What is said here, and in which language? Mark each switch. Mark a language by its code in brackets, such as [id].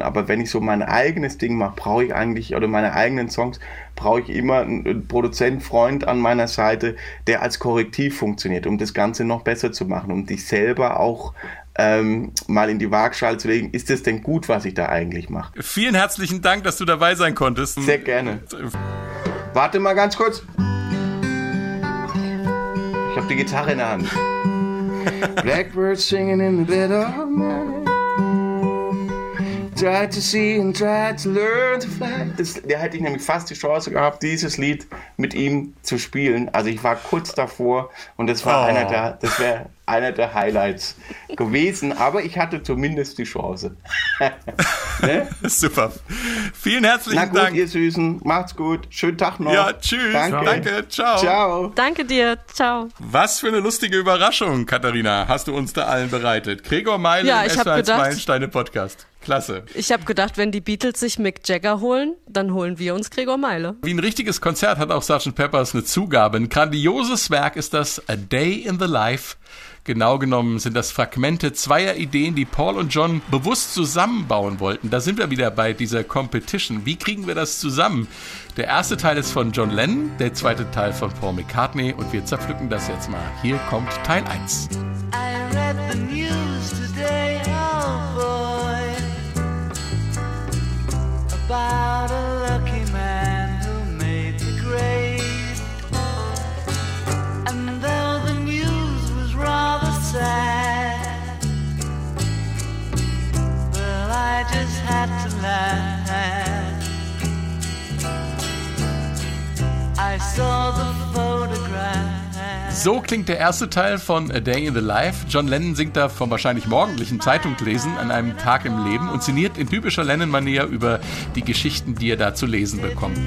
[de] Aber wenn ich so mein eigenes Ding mache, brauche ich eigentlich, oder meine eigenen Songs, brauche ich immer einen Produzent, Freund an meiner Seite, der als Korrektiv funktioniert, um das Ganze noch besser zu machen, um dich selber auch mal in die Waagschale zu legen. Ist das denn gut, was ich da eigentlich mache? Vielen herzlichen Dank, dass du dabei sein konntest. Sehr gerne. Warte mal ganz kurz. Ich habe die Gitarre in der Hand. [en] Blackbird singing in the bed of night. Tried to see and tried to learn to fly. [de] Da hätte ich nämlich fast die Chance gehabt, dieses Lied mit ihm zu spielen. Also ich war kurz davor und das war einer der Highlights gewesen. Aber ich hatte zumindest die Chance. Ne? Super. Vielen herzlichen Dank. Na gut, Dank. Ihr Süßen. Macht's gut. Schönen Tag noch. Ja, tschüss. Danke. Danke. Ciao. Ciao. Danke dir. Ciao. Was für eine lustige Überraschung, Katharina, hast du uns da allen bereitet. Gregor Meile ja, im SWR1-Meilensteine-Podcast. Klasse. Ich habe gedacht, wenn die Beatles sich Mick Jagger holen, dann holen wir uns Gregor Meile. Wie ein richtiges Konzert hat auch Sgt. Pepper's eine Zugabe. Ein grandioses Werk ist das A Day in the Life. Genau genommen sind das Fragmente zweier Ideen, die Paul und John bewusst zusammenbauen wollten. Da sind wir wieder bei dieser Competition. Wie kriegen wir das zusammen? Der erste Teil ist von John Lennon, der zweite Teil von Paul McCartney und wir zerpflücken das jetzt mal. Hier kommt Teil 1. [en] I read the news today, oh boy, about a lucky man who made the grade. And though the news was rather sad, well, I just had to laugh. I saw the photograph. [de] So klingt der erste Teil von A Day in the Life. John Lennon singt da vom wahrscheinlich morgendlichen Zeitunglesen an einem Tag im Leben und sinniert in typischer Lennon-Manier über die Geschichten, die er da zu lesen bekommt.